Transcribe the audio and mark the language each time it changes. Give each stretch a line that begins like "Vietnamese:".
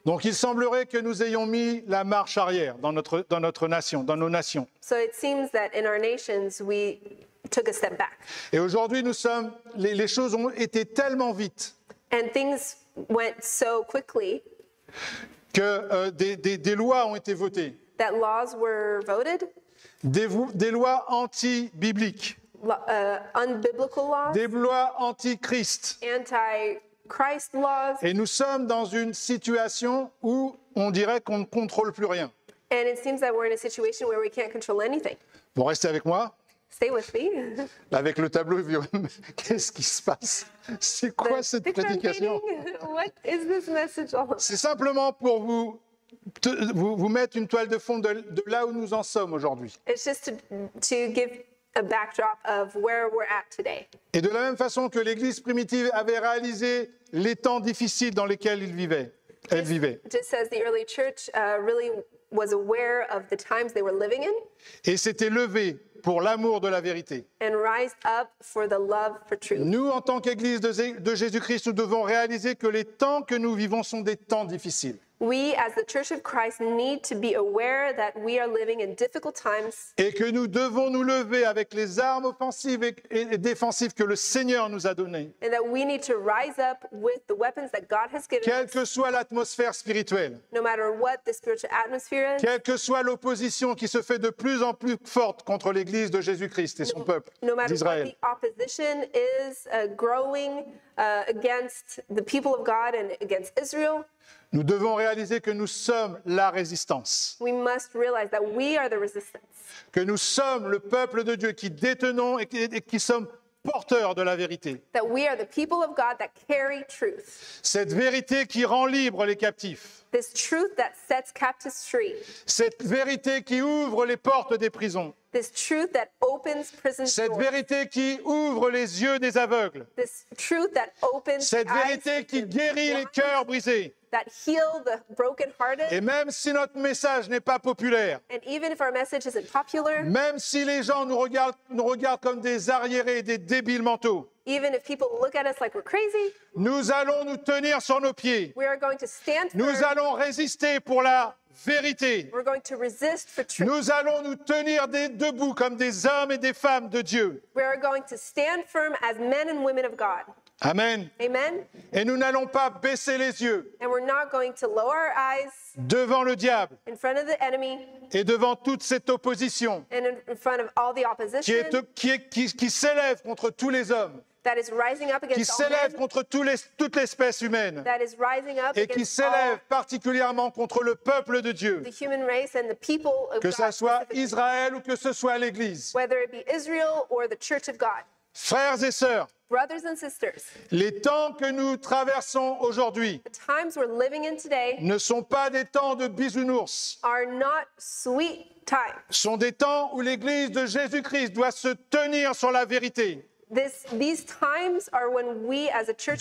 French: Donc il semblerait que nous ayons mis la marche arrière dans nos nations.
English: So it seems that in our nations we took a step back.
French: Et aujourd'hui, les choses ont été tellement vite.
English: And things went so quickly.
French: Que des lois ont été votées.
English: That laws were voted.
French: Des lois anti-bibliques.
English: Unbiblical laws.
French: Des lois anti-Christ.
English: Anti-Christ laws.
French: Et nous sommes dans une situation où on dirait qu'on ne contrôle plus rien.
English: And it seems that we're in a situation where we can't control anything.
French: Vous restez avec moi.
English: Stay with me.
French: Avec le tableau, qu'est-ce qui se passe? C'est quoi
English: the
French: cette prédication?
English: What is this message all?
French: C'est simplement pour vous mettre une toile de fond de là où nous en sommes aujourd'hui.
English: It's just to give a backdrop of where we're at today.
French: Et de la même façon que l'Église primitive avait réalisé les temps difficiles dans lesquels elle vivait.
English: Just as the early church really was aware of the times they were living in.
French: Et s'était levée pour l'amour de la vérité.
English: And rise up for the love for truth.
French: Nous, en tant qu'Église de Jésus-Christ, nous devons réaliser que les temps que nous vivons sont des temps difficiles.
English: We, as the Church of Christ, need to be aware that we are living in difficult times.
French: Et que nous devons nous lever avec les armes offensives et défensives que le Seigneur nous a données.
English: And that we need to rise up with the weapons that God has given us.
French: Quelle que soit l'atmosphère spirituelle.
English: No matter what the spiritual atmosphere is.
French: Quelle que soit l'opposition qui se fait de plus en plus forte contre l'Église de Jésus-Christ et son peuple d'Israël.
English: No matter what the opposition is growing against the people of God and against Israel.
French: Nous devons réaliser que nous sommes la résistance.
English: We must realize that we are the resistance.
French: Que nous sommes le peuple de Dieu qui détenons et qui sommes porteurs de la vérité.
English: That we are the people of God that carry truth.
French: Cette vérité qui rend libre les captifs.
English: This truth that sets captives free.
French: Cette vérité qui ouvre les portes des prisons.
English: This truth that opens prison doors.
French: Cette vérité qui ouvre les yeux des aveugles.
English: This truth that opens
French: Cette vérité qui guérit les cœurs brisés.
English: That heal the brokenhearted.
French: Et même si notre message n'est pas populaire,
English: and even if our message isn't popular,
French: même si les gens nous regardent comme des arriérés, des débiles mentaux,
English: Even if people look at us like we're crazy,
French: nous allons nous tenir sur nos pieds.
English: We are going to stand firm.
French: Nous allons résister pour la vérité.
English: We're going to resist for truth.
French: Nous allons nous tenir debout comme des hommes et des femmes de Dieu.
English: We are going to stand firm as men and women of God.
French: Amen.
English: Amen.
French: Et nous n'allons pas baisser les yeux.
English: And we're not going to lower our eyes.
French: Devant le diable.
English: In front of the enemy.
French: Et devant toute cette opposition.
English: And in front of all the opposition.
French: Qui s'élève contre tous les hommes.
English: That is rising up against
French: qui s'élève contre toute l'espèce humaine
English: that is rising up
French: et qui s'élève particulièrement contre le peuple de Dieu,
English: the human race and the people of
French: que ce
English: God
French: soit Israël ou que ce soit l'Église.
English: Whether it be Israel or the Church of God.
French: Frères et sœurs,
English: brothers and sisters,
French: les temps que nous traversons aujourd'hui
English: the times we're living in today
French: ne sont pas des temps de bisounours.
English: Are not sweet times.
French: Ce sont des temps où l'Église de Jésus-Christ doit se tenir sur la vérité.
English: These times are when we, as a church,